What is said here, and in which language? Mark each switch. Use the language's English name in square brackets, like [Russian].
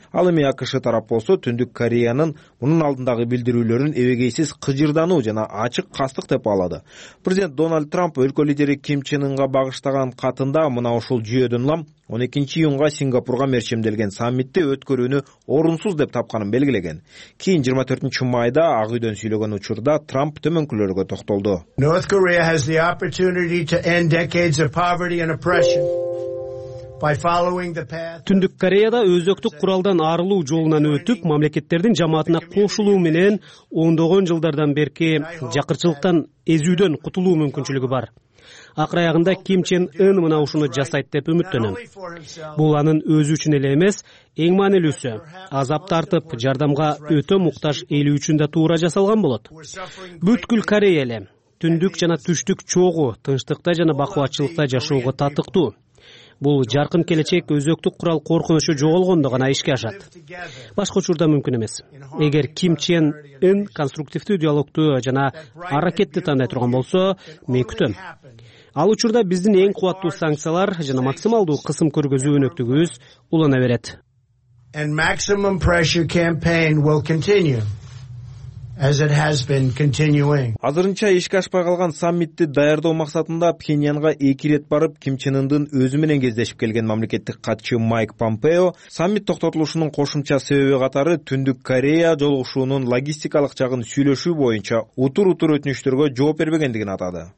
[Kyrgyz] Ал эми АКШ тарап болсо Түндүк Кореянын мунун алдындагы билдирүүлөрүн эбегейсиз кыжырдануу жана ачык кастык деп баалады. Президент Дональд Трамп өлкө лидери Ким Чен Ынга багыштаган катында мына ушул жүйөдөн улам 12 июнга Сингапурга мерчимделген саммитти өткөрүүнү орунсуз деп тапканын белгилеген. Кийин 24 майда Ак Үйдөн сүйлөгөн учурда Трамп төмөнкүлөргө токтолду. [English] North Korea has the opportunity to end decades of poverty and oppression. [Kyrgyz] Түндүк Кореяда өзөктүк куралдан арылуу жолунан өтүп, мамлекеттердин жамаатына кошулуу менен ондогон жылдардан берки жакырчылыктан эзүүдөн кутулуу мүмкүнчүлүгү бар. Акыр аягында Ким Чен Ын мына ушуну жасайт деп үмүттөнөм. Бул анын өзү үчүн эле эмес, эң маанилүүсү азап тартып жардамга өтө муктаж эл үчүн да туура жасалган болот. Бүткүл Корея эле түндүк жана түштүк чогу тынчтыкта жана бакубатчылыкта жашоого татыктуу. Бул жаркын келечек өзөктүк курал коркунучу жоголгондо гана ишке ашат. Башка учурда мүмкүн эмес. Эгер Ким Чен Ын конструктивдүү диалогту жана аракетти тандай турган болсо, мен күтөм. Ал учурда биздин эң кубаттуу санкциялар жана максималдуу кысым көргөзүү өнөктүгүбүз улана берет. [English] And maximum pressure campaign will continue. As it has been continuing. [Kyrgyz] Азырынча ишке ашпай калган саммитти даярдоо максатында Пхеньянга 2 ирет барып, Ким Чен Ындын өзү менен кездешип келген мамлекеттик катчы Майк Помпео саммит токтотулушунун кошумча себеби катары Түндүк Корея жолугушуунун логистикалык жагын сүйлөшүү боюнча утур-утур өтүнүчтөргө жооп бербегендигин атады.